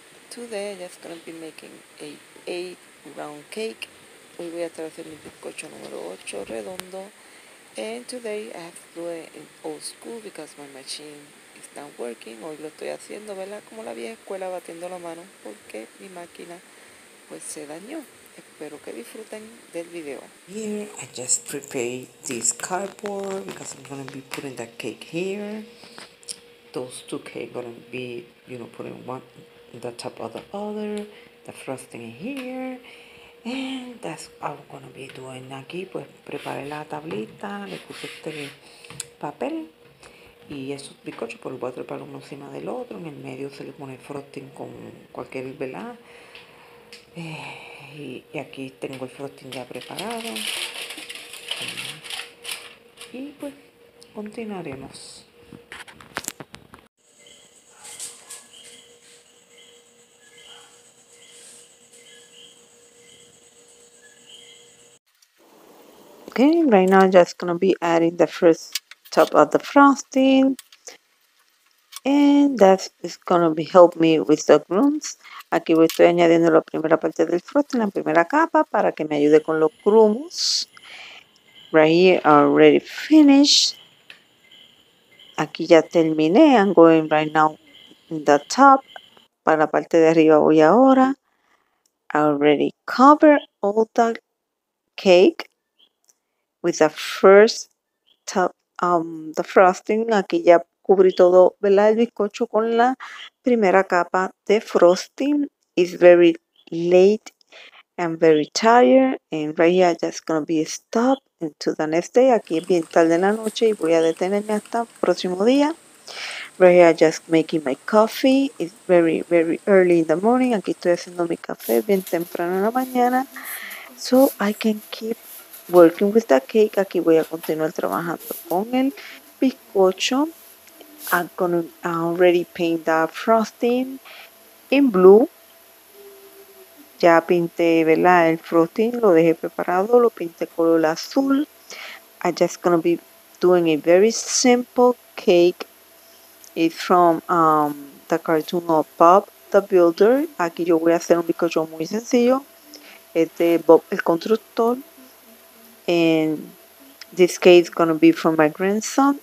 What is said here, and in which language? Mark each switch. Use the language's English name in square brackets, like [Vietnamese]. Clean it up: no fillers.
[English] Today, I'm just going to be making a 8 round cake. [Spanish] Hoy voy a estar haciendo un bizcocho número 8 redondo. [English] And today, I have to do it in old school because my machine is not working. [Spanish] Hoy lo estoy haciendo, ¿verdad? Como la vieja escuela, batiendo la mano, porque mi máquina, pues, se dañó. Espero que disfruten del video. [English] Here, I just prepared this cardboard because I'm going to be putting that cake here. Those two cakes are going to be, you know, putting one on the top of the other. The frosting here. And that's what I'm going to be doing aquí. [Spanish] Pues preparé la tablita, le puse este papel. Y esos bizcochos, pues los voy a trepar uno encima del otro. En el medio se le pone frosting con cualquier velada. Y aquí tengo el frosting ya preparado. Y pues continuaremos. [English] Okay, right now I'm just gonna be adding the first top of the frosting, and that is gonna be help me with the crumbs. [Spanish] Aquí estoy añadiendo la primera parte del frosting, la primera capa, para que me ayude con los crumbs. [English] Right here, already finished. [Spanish] Aquí ya terminé. [English] I'm going right now in the top. [Spanish] Para la parte de arriba voy ahora. [English] I already cover all the cake with the first top, the frosting. [Spanish] Aquí ya cubrí todo, ¿verdad?, el bizcocho con la primera capa de frosting. [English] It's very late and very tired, and right here I'm just gonna be stop until the next day. [Spanish] Aquí es bien tarde en la noche y voy a detenerme hasta el próximo día. [English] Right here I'm just making my coffee. It's very, very early in the morning. [Spanish] Aquí estoy haciendo mi café bien temprano en la mañana, [English] so I can keep working with the cake. [Spanish] Aquí voy a continuar trabajando con el bizcocho. [English] I'm gonna already paint the frosting in blue. [Spanish] Ya pinté, ¿verdad?, el frosting, lo dejé preparado, lo pinté color azul. [English] I'm just gonna be doing a very simple cake. It's from the cartoon of Bob the Builder. [Spanish] Aquí yo voy a hacer un bizcocho muy sencillo. Es de Bob el Constructor. [English] And this cake is gonna be from my grandson.